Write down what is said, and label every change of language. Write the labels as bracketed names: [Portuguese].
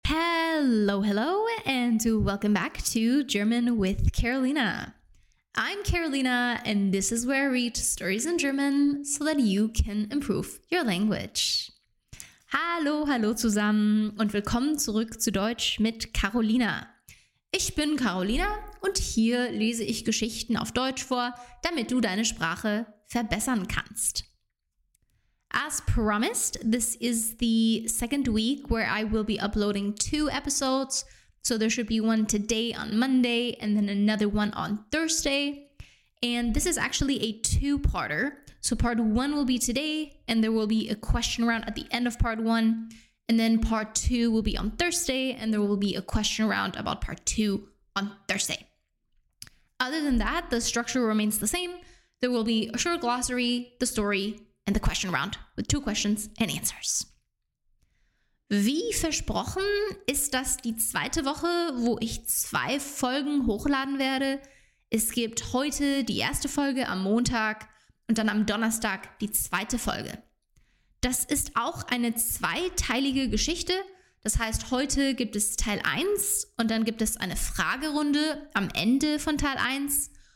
[English] Hello, hello, and welcome back to German with Carolina. I'm Carolina, and this is where I read stories in German so that you can improve your language. [German] Hallo, hallo zusammen und willkommen zurück zu Deutsch mit Carolina. Ich bin Carolina und hier lese ich Geschichten auf Deutsch vor, damit du deine Sprache verbessern kannst. [English] As promised, this is the second week where I will be uploading two episodes. So there should be one today on Monday and then another one on Thursday. And this is actually a two-parter. So part one will be today and there will be a question round at the end of part one. And then part two will be on Thursday and there will be a question round about part two on Thursday. Other than that, the structure remains the same. There will be a short glossary, the story, and the question round with two questions and answers. [German] Wie versprochen ist das die zweite Woche, wo ich zwei Folgen hochladen werde. Es gibt heute die erste Folge am Montag und dann am Donnerstag die zweite Folge. Das ist auch eine zweiteilige Geschichte. Das heißt, heute gibt es Teil 1 und dann gibt es eine Fragerunde am Ende von Teil 1.